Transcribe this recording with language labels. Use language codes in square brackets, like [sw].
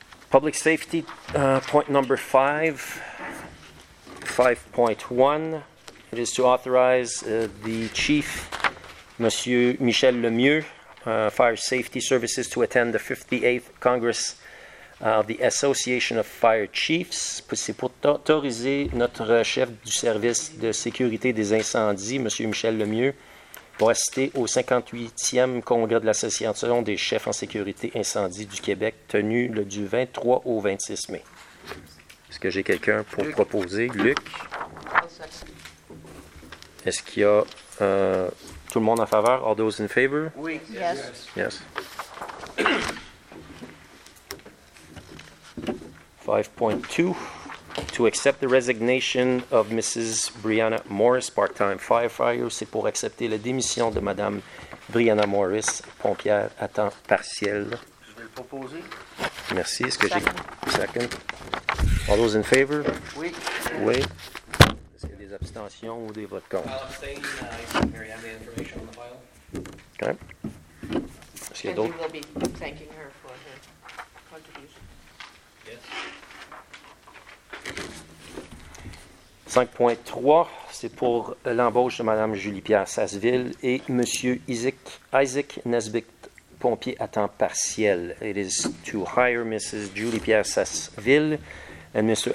[en] Public safety, point number 5.1. It is to authorize the chief, Monsieur Michel Lemieux, Fire Safety Services, to attend the 58th Congress of the Association of Fire Chiefs. [fr] C'est pour autoriser notre chef du service de sécurité des incendies, M. Michel Lemieux, pour assister au 58e congrès de l'Association des chefs en sécurité incendie du Québec, tenu du 23 au 26 mai. Est-ce que j'ai quelqu'un pour proposer? Luc? Est-ce qu'il y a tout le monde en faveur? [en] All those in favor? [fr] Oui. [en] Yes. 5.2, to accept the resignation of Mrs. Brianna Morris, part-time firefighter. [fr] C'est pour accepter la démission de Madame Brianna Morris, pompière à temps partiel. Je vais le proposer. Merci. Est-ce que [en] Second. All those in favor? [fr] Oui. Oui. Est-ce qu'il y a des abstentions ou des votes contre? [en] I'll abstain. I have the information on the file. [fr] OK. Est-ce qu'il y a d'autres? [en] And we will be thanking her for her contribution. Yes. [fr] 5.3, c'est pour l'embauche de Mme Julie-Pierre Sasseville et M. Isaac Nesbitt, pompier à temps partiel. [en] It is to hire Mrs. Julie-Pierre Sasseville and Mr.